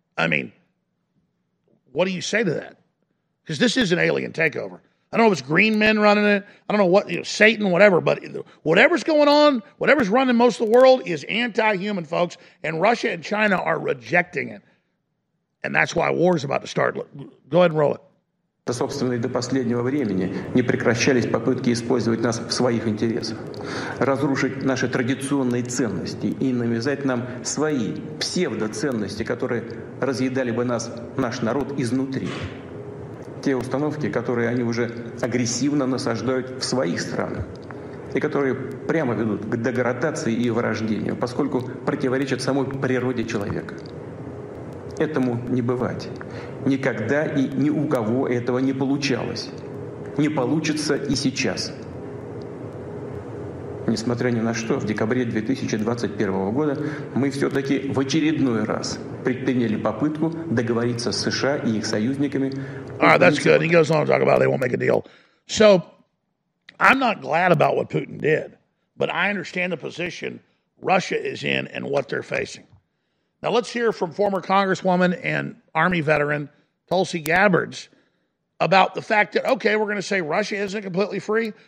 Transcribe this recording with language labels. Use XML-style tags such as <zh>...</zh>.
<en>I mean, what do you say to that? Because this is an alien takeover. I don't know if it's green men running it. I don't know what, you know, Satan, whatever. But whatever's going on, whatever's running most of the world is anti-human, folks. And Russia and China are rejecting it. And that's why war is about to start. Go ahead and roll it.</en> <ru>Собственно, и до последнего времени не прекращались попытки использовать нас в своих интересах, разрушить наши традиционные ценности и навязать нам свои псевдоценности, которые разъедали бы нас, наш народ, изнутри. Те установки, которые они уже агрессивно насаждают в своих странах и которые прямо ведут к деградации и вырождению, поскольку противоречат самой природе человека. Этому не бывать. Никогда и ни у кого этого не получалось. Не получится и сейчас. Несмотря ни на что, в декабре 2021 года мы все-таки в очередной раз предприняли попытку договориться с США и их союзниками.</ru> <en>All right, that's good. He goes on to talk about they won't make a deal. So, I'm not glad about what Putin did, but I understand the position Russia is in and what they're facing. Now, let's hear from former Congresswoman and Army veteran Tulsi Gabbard about the fact that, okay, we're going to say Russia isn't completely free.</en>